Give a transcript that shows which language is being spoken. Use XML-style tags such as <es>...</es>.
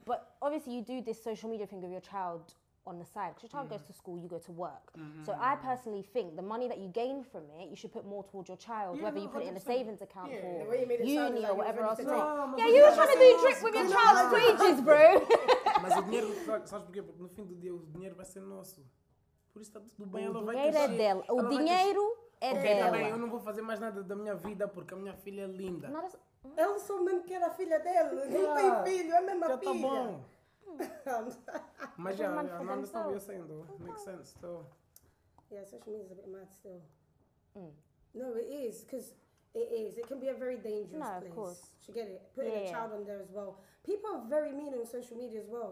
<en>But obviously you do this social media thing with your child on the side, because your child goes to school, you go to work. Mm-hmm. So I personally think the money that you gain from it, you should put more towards your child, whether you put it in a savings account for uni or whatever else. You were trying to do tricks with your child's wages, bro.</en> <pt>Mas o dinheiro, sabes porquê? Porque no fim do dia o dinheiro vai ser nosso. Por isso está tudo bem, ela vai crescer. Também, eu não vou fazer mais nada da minha vida porque a minha filha é linda. Ela só mesmo quer a filha dela, não tem filho, é a mesma filha. Já tá bom. Mas</pt> <en>yeah, I understand what you're saying though. Okay. Makes sense. So yeah, social media is a bit mad still. Mm. No, it is, because it is. It can be a very dangerous place. Of course. To get it. Putting a child on there as well. People are very mean on social media as well.</en>